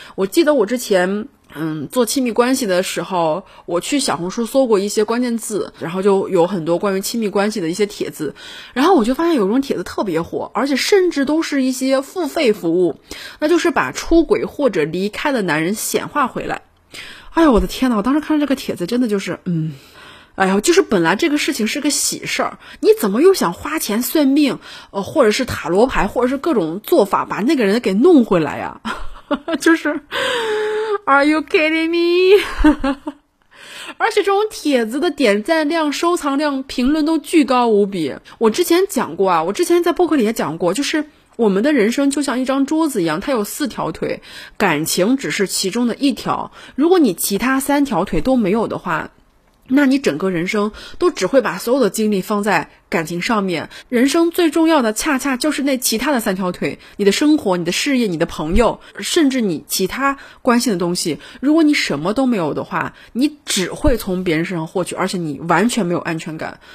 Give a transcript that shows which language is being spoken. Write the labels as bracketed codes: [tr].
[zh] 我记得我之前做亲密关系的时候，我去小红书搜过一些关键字，然后就有很多关于亲密关系的一些帖子，然后我就发现有一种帖子特别火，而且甚至都是一些付费服务，那就是把出轨或者离开的男人显化回来。哎呦我的天哪，我当时看到这个帖子真的就是哎呦，就是本来这个事情是个喜事儿，你怎么又想花钱算命或者是塔罗牌或者是各种做法把那个人给弄回来呀？就是 [en] Are you kidding me? [zh] 而且这种帖子的点赞量、收藏量、评论都巨高无比。我之前讲过啊，我之前在播客里也讲过，就是我们的人生就像一张桌子一样，它有四条腿，感情只是其中的一条，如果你其他三条腿都没有的话，那你整个人生都只会把所有的精力放在感情上面，人生最重要的恰恰就是那其他的三条腿，你的生活、你的事业、你的朋友，甚至你其他关心的东西，如果你什么都没有的话，你只会从别人身上获取，而且你完全没有安全感。